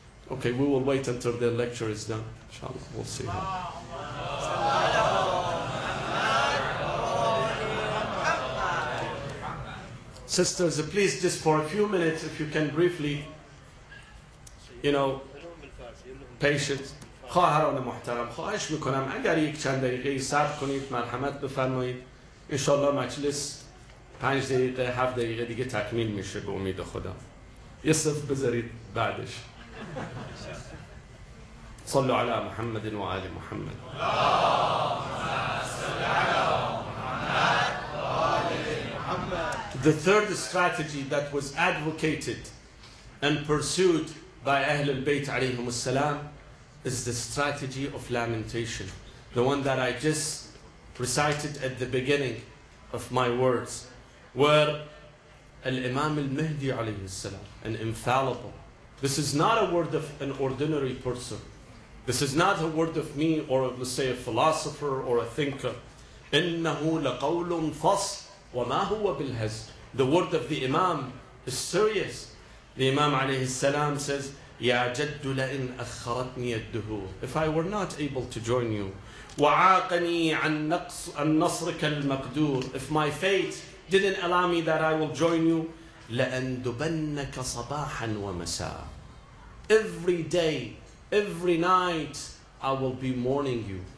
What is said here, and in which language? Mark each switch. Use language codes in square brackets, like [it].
[en] Okay, we will wait until the lecture is done. Inshallah, we'll see. Him. Sisters, please, just for a few minutes, if you can briefly, you know, patience. [fa] خواهران محترم، خواهش میکنم اگر یک چند دقیقه صبر کنید، مرحمت بفرمایید. انشاءالله مجلس 5-7 دقیقه دیگه تکمیل میشه به امید خدا. یه صفر بذارید بعدش. [ar] صلوا على محمد وآل محمد. [en] The third strategy that was advocated and pursued by Ahlul Bayt alayhim as-salam is the strategy of lamentation. The one that I just recited at the beginning of my words, where Al-Imam Al-Mahdi alayhi as-salam, an infallible, this is not a word of an ordinary person. This is not a word of me or of, let's say, a philosopher or a thinker. [ar] إِنَّهُ لَقَوْلٌ فَصْلٌ وَمَا هُوَ بِالْهَزْلِ. [en] The word of the Imam is serious. The Imam [ar] عليه السلام [en] says, [ar] يَا جَدُّ لَإِنْ أَخَّرَتْنِي الدُّهُورِ. [en] If I were not able to join you. [ar] وَعَاقَنِي عَنْ نَصْرِكَ الْمَقْدُورِ. [en] If my fate didn't allow me that I will join you. [ar] لَأَنْدُبَنَّكَ صَبَاحًا وَمَسَاءً. [en] Every day, every night, I will be mourning you.